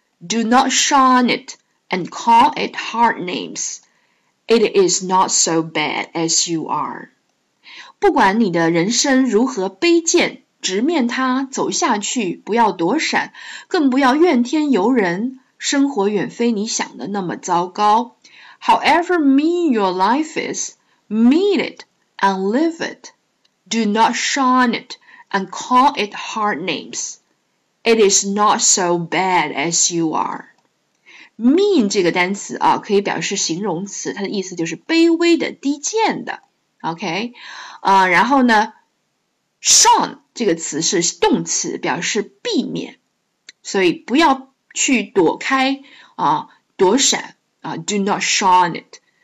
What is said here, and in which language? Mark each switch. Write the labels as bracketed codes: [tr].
[en] Do not shun it and call it hard names. It is not so bad as you are. [zh] 不管你的人生如何卑贱，直面它，走下去，不要躲闪，更不要怨天尤人，生活远非你想的那么糟糕。 [en] However mean your life is, meet it and live it. Do not shun it and call it hard names. It is not so bad as you are. [zh] Mean 这个单词啊，可以表示形容词，它的意思就是卑微的、低贱的。 OK， 然后呢shun 这个词是动词，表示避免，所以不要去躲开啊，躲闪啊 ， [en] do not shun it。